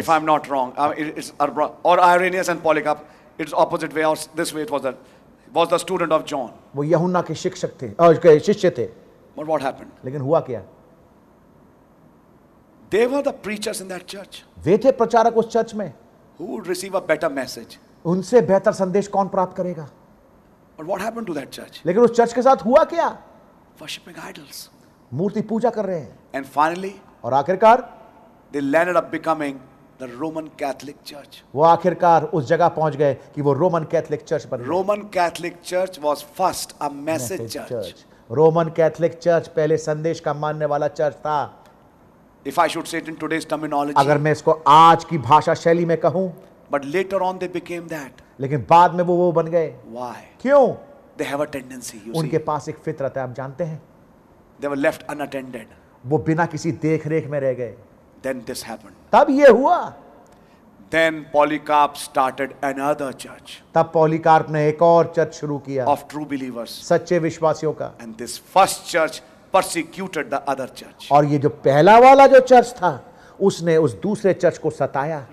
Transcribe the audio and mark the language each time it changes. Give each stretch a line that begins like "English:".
English: If I'm not wrong, it's or Irenaeus and Polycarp. It's opposite way or this way. It was the student of John.
Hindi: वो यहुन्ना के शिक्षक थे, उसके शिष्य थे.
English: But what happened?
Hindi: लेकिन हुआ क्या?
English: They were the preachers in that church.
Hindi: वे थे प्रचारक उस चर्च में.
English: Who would receive a better message?
Hindi: उनसे बेहतर संदेश कौन प्राप्त करेगा?
English: But what happened to that church?
Hindi: लेकिन उस चर्च के साथ हुआ क्या?
English: Worshiping idols.
Hindi: मूर्ति पूजा कर रहे हैं.
English: and finally,
Hindi: और आखिरकार,
English: They landed up becoming the Roman Catholic church.
Hindi: वो आखिरकार उस जगह पहुंच गए कि वो रोमन कैथोलिक चर्च बन गए.
English: Roman Catholic church was first a message church.
Hindi: Roman Catholic church पहले संदेश का मानने वाला चर्च था.
English: if I should say it in today's terminology,
Hindi: अगर मैं इसको आज की भाषा शैली में कहूं,
English: But later on they became that.
Hindi: लेकिन बाद में वो बन गए.
English: Why?
Hindi: क्यों?
English: they have a tendency, you
Hindi: see, उनके पास एक फितरत है, आप जानते हैं.
English: They were left unattended.
Hindi: वो बिना किसी देखरेख में रह गए.
English: Then this happened.
Hindi: तब ये हुआ.
English: Then Polycarp started another church.
Hindi: तब Polycarp ने एक और चर्च शुरू किया.
English: Of true believers.
Hindi: सच्चे विश्वासियों का.
English: And this first church persecuted the other church.
Hindi: और ये जो पहला वाला जो चर्च था, उसने उस दूसरे चर्च को सताया.